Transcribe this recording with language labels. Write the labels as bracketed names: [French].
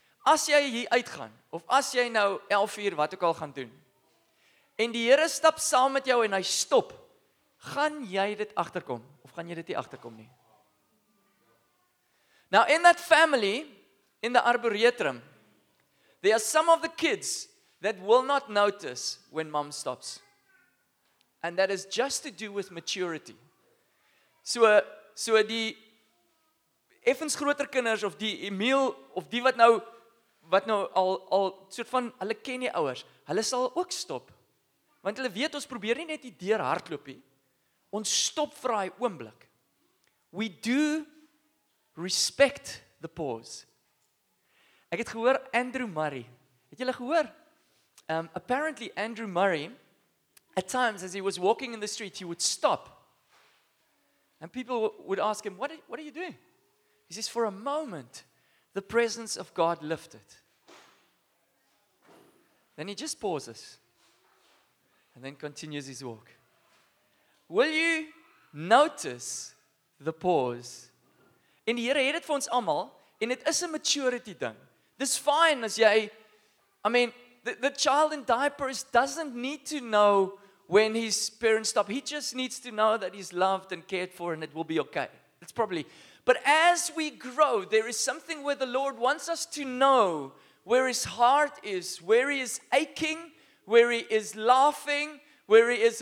[Afrikaans] As jy hier uitgaan, of as jy nou 11:00 wat ook al gaan doen, en die Here stap saam met jou en hy stop, gaan jy dit agterkom of gaan jy dit nie agterkom nie? [English] Now in that family, in the arboretum, there are some of the kids that will not notice when mom stops. And that is just to do with maturity. [Afrikaans] So die effens groter kinders of die Emil of die wat nou al soort van hulle ken die ouers, hulle sal ook stop. Want hulle weet ons probeer nie net die deur hardloop nie. Ons stop vir daai oomblik. [English] We do respect the pause. [Afrikaans] Ek het gehoor Andrew Murray. Het julle gehoor? [English] Apparently Andrew Murray at times as he was walking in the street he would stop. And people would ask him, "What are you doing?" He says, "For a moment, the presence of God lifted." Then he just pauses and then continues his walk. Will you notice the pause? [Afrikaans] En die Here het dit vir ons almal en dit is 'n maturity ding. [English] This fine [Afrikaans] as jy [English] the child in diapers doesn't need to know when his parents stop. He just needs to know that he's loved and cared for and it will be okay. It's probably. But as we grow, there is something where the Lord wants us to know where his heart is, where he is aching, where he is laughing, where he is.